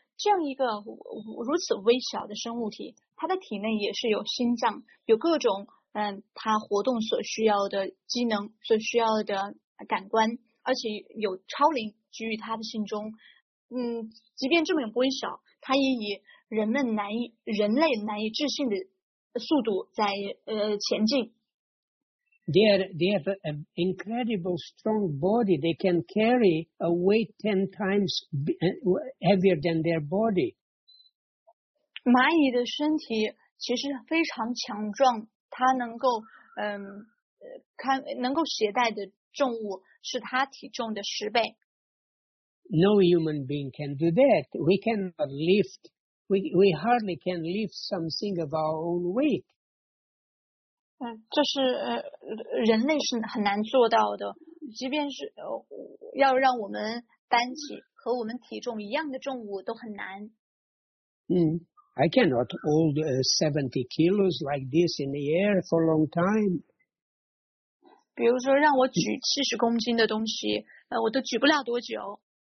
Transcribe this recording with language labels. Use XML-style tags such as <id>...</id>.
<zh>这样一个如此微小的生物体，它的体内也是有心脏，有各种它活动所需要的机能，所需要的感官，而且有超灵居于它的心中。即便这么微小，它也以人类难以置信的速度在前进。</zh> <en>They have an incredible strong body. They can carry a weight 10 times heavier than their body.</en> <zh>蚂蚁的身体其实非常强壮，它能够携带的重物是它体重的十倍。</zh> <en>No human being can do that. We cannot lift. We hardly can lift something of our own weight.</en> <zh>这是人类是很难做到的。即便是要让我们搬起和我们体重一样的重物都很难。</zh> <en>I cannot hold 70 kilos like this in the air for a long time.</en> <zh>比如说让我举70公斤的东西我都举不了多久。</zh>